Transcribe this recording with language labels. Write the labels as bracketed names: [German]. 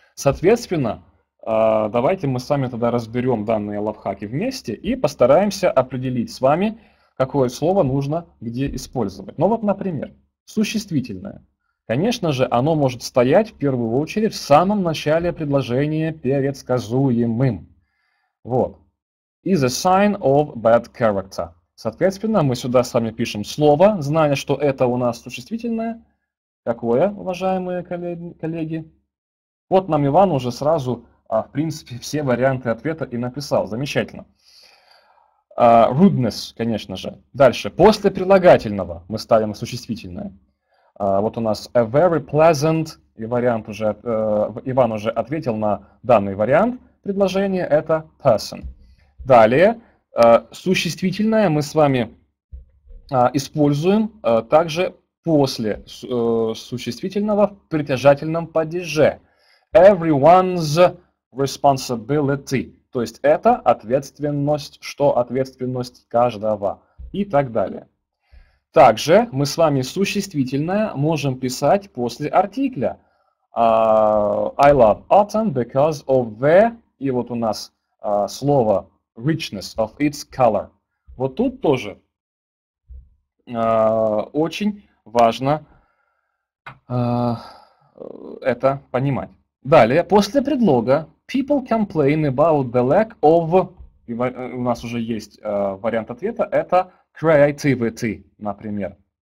[Russian] Соответственно, давайте мы с вами тогда разберем данные лайфхаки вместе и постараемся определить с вами, какое слово нужно где использовать. Ну вот, например, существительное. Конечно же, оно может стоять в первую очередь в самом начале предложения предсказуемым. Вот. [English] Is a sign of bad character. [Russian] Соответственно, мы сюда с вами пишем слово, зная, что это у нас существительное. Какое, уважаемые коллеги? Вот нам Иван уже сразу, в принципе, все варианты ответа и написал. Замечательно. Rudeness, конечно же. Дальше. После прилагательного мы ставим существительное. Вот у нас [English] a very pleasant, [Russian] и вариант уже, Иван уже ответил на данный вариант предложения, это person. Далее, существительное мы с вами используем также после существительного в притяжательном падеже. [English] Everyone's responsibility, [Russian] то есть это ответственность, что ответственность каждого и так далее. Также мы с вами существительное можем писать после артикля. [English] I love autumn because of the, [Russian] и вот у нас слово [English] richness of its color. [Russian] Вот тут тоже очень важно это понимать. Далее, после предлога [English] people complain about the lack of, [Russian] и у нас уже есть вариант ответа, это creativity, например.